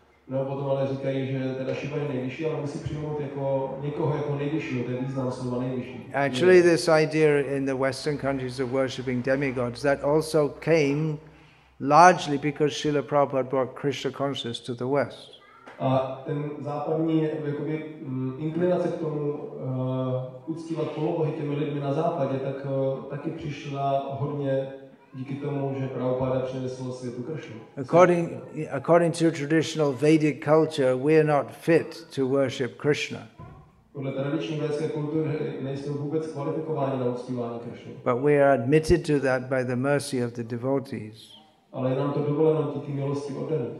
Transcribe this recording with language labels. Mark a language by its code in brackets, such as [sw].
[cs] No, potom ale říkají, že teda Šiva je nejvyšší, ale musí přijmout jako někoho jako nejvyššího, ten význam slova nejvyšší. [en] Actually, this idea in the Western countries of worshipping demigods, that also came largely because Srila Prabhupada brought Krishna consciousness to the West. [cs] A ten západní jakoby, inklinace k tomu uctívat polobohy těmi lidmi na západě, tak taky přišla hodně díky tomu, že Prabhupada přinesl světu Kršnu. [en] According to traditional Vedic culture, we are not fit to worship Krishna. [cs] Podle tradiční vedské kultury nejsme vůbec kvalifikováni na uctívání Kršnu. [en] But we are admitted to that by the mercy of the devotees. [cs] Ale je nám to dovoleno díky milosti otevřené.